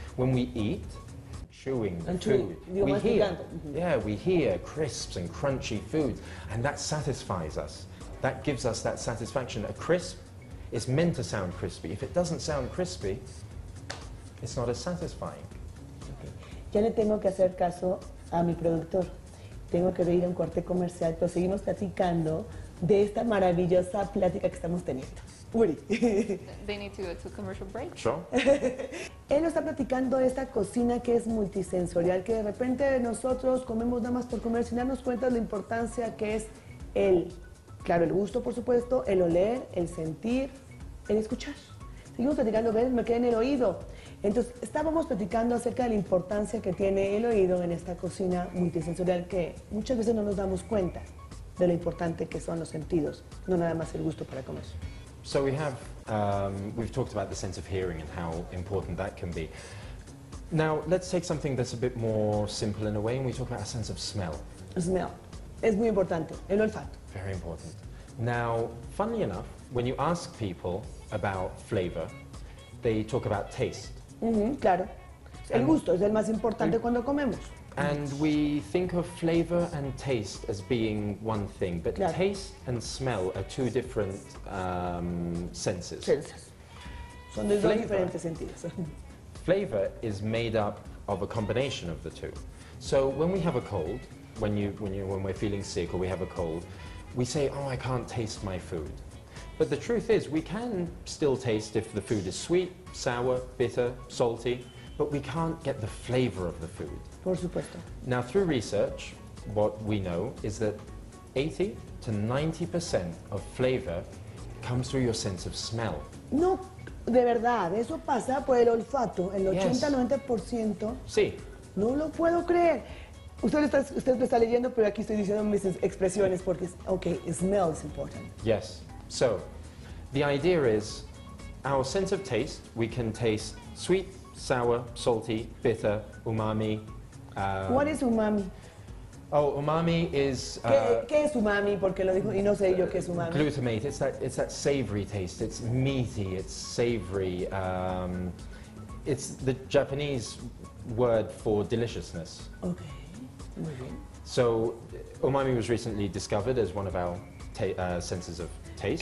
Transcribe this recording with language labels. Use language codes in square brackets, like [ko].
[en] When we eat, chewing the and food, we hear, mm-hmm. yeah, we hear crisps and crunchy foods, and that satisfies us. That gives us that satisfaction. A crisp is meant to sound crispy. If it doesn't sound crispy, it's not as satisfying. [es] Ya le tengo que hacer caso a mi productor. Tengo que ir a un corte comercial, pero seguimos platicando de esta maravillosa plática que estamos teniendo. Uri. [en] They need to go to a commercial break. Sure. [es] Él nos está platicando de esta cocina que es multisensorial, que de repente nosotros comemos nada más por comer, sin darnos cuenta de la importancia que es el, claro, el gusto, por supuesto, el oler, el sentir, el escuchar. Seguimos platicando, ¿ves? Me queda en el oído. Entonces, estábamos platicando acerca de la importancia que tiene el oído en esta cocina multisensorial que muchas veces no nos damos cuenta de lo importante que son los sentidos, no nada más el gusto para comer. [en] So we have, we've talked about the sense of hearing and how important that can be. Now, let's take something that's a bit more simple in a way and we talk about a sense of smell. [es] Smell. Es muy importante. El olfato. [en] Very important. Now, funnily enough, when you ask people about flavor, they talk about taste. [es] Mm-hmm, claro. El gusto es el más importante cuando comemos. [en] And we think of flavor and taste as being one thing, but [es] claro. [en] Taste and smell are two different senses. [es] Senses. Son de dos diferentes sentidos. [en] Flavor is made up of a combination of the two. So when we have a cold, when we're feeling sick or we have a cold, we say, oh, I can't taste my food. But the truth is, we can still taste if the food is sweet, sour, bitter, salty, but we can't get the flavor of the food. [es] Por supuesto. [en] Now, through research, what we know is that 80 to 90% of flavor comes through your sense of smell. [es] No, de verdad, eso pasa por el olfato, el 80-90%. Sí. No lo puedo creer. Usted me está leyendo, pero aquí estoy diciendo mis expresiones porque, okay, [en] smell is important. Yes. So, the idea is, our sense of taste, we can taste sweet, sour, salty, bitter, umami. What is umami? Oh, umami is... [es] ¿Qué es umami? Porque lo dijo, y no sé yo qué es umami. [en] Glutamate, it's that savory taste, it's meaty, it's savory. It's the Japanese word for deliciousness. Okay. So, umami was recently discovered as one of our senses of taste.